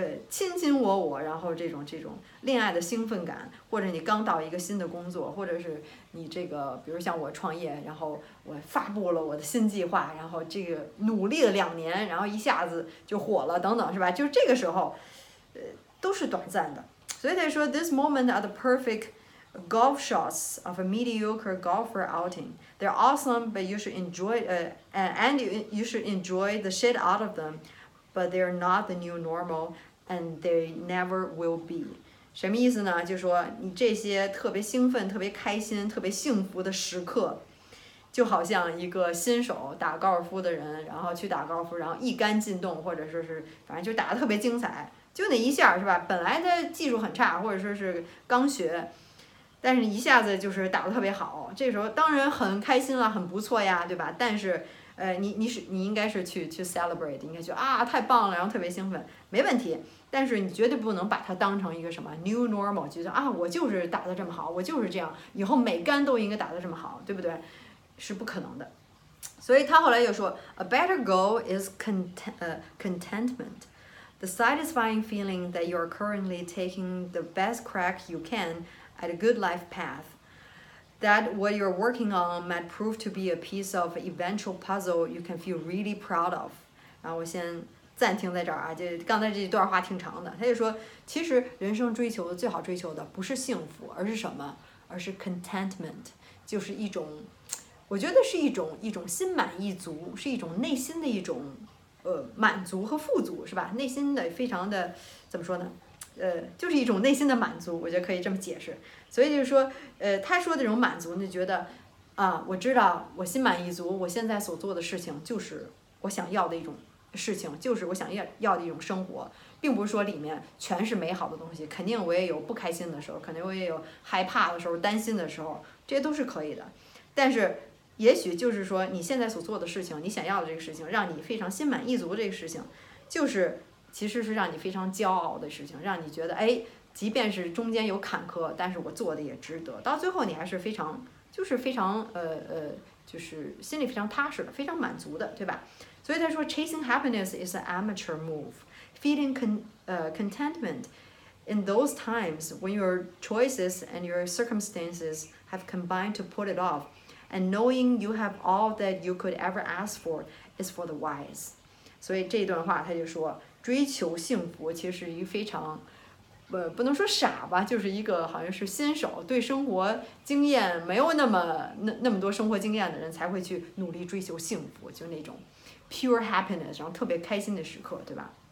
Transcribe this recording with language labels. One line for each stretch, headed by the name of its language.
Chinese: 卿卿我我，然后这种恋爱的兴奋感，或者你刚到一个新的工作，或者是你这个比如像我创业，然后我发布了我的新计划，然后这个努力了两年然后一下子就火了等等是吧，就这个时候都是短暂的，所以他说
English: This moment are the perfect golf shots of a mediocre golfer outing. They're awesome, but you should enjoy and you should enjoy the shit out of them. But they're not the new normal, and they never will be.
Chinese: 什么意思呢？就是说你这些特别兴奋、特别开心、特别幸福的时刻，就好像一个新手打高尔夫的人，然后去打高尔夫，然后一杆进洞，或者说是反正就打得特别精彩。就那一下是吧，本来他技术很差或者说是刚学但是一下子就是打得特别好，这时候当然很开心了，很不错呀，对吧？但是你应该是去 celebrate， 应该去啊，太棒了，然后特别兴奋，没问题。但是你绝对不能把它当成一个什么
English: new normal，
Chinese: 觉得啊，我就是打得这么好，我就是这样，以后每杆都应该打得这么好，对不对？是不可能的。所以他后来又说
English: ，a better goal is contentment， the satisfying feeling that you are currently taking the best crack you can at a good life path。 That what you're working on might prove to be a piece of eventual puzzle you can feel really proud of。
Chinese: 然后我先暂停在这儿啊，就刚才这段话挺长的，他就说其实人生追求的最好追求的不是幸福，而是什么？而是 contentment， 就是一种，我觉得是一种心满意足，是一种内心的一种满足和富足，是吧？内心的非常的怎么说呢，就是一种内心的满足，我觉得可以这么解释。所以就是说他说的这种满足，你觉得啊，我知道我心满意足，我现在所做的事情就是我想要的一种事情，就是我想要的一种生活，并不是说里面全是美好的东西，肯定我也有不开心的时候，肯定我也有害怕的时候，担心的时候，这些都是可以的。但是也许就是说你现在所做的事情，你想要的这个事情，让你非常心满意足的这个事情，就是其实是让你非常骄傲的事情，让你觉得哎，即便是中间有坎坷，但是我做的也值得，到最后你还是非常就是非常就是心里非常踏实的，非常满足的，对吧？所以他说
English: chasing happiness is an amateur move， feeling contentment in those times when your choices and your circumstances have combined to put it off and knowing you have all that you could ever ask for is for the wise。
Chinese: 所以这段话他就说追求幸福其实是一个非常不能说傻吧，就是一个好像是新手，对生活经验没有那么多生活经验的人才会去努力追求幸福，就那种
English: pure happiness，
Chinese: 然后特别开心的时刻，对吧？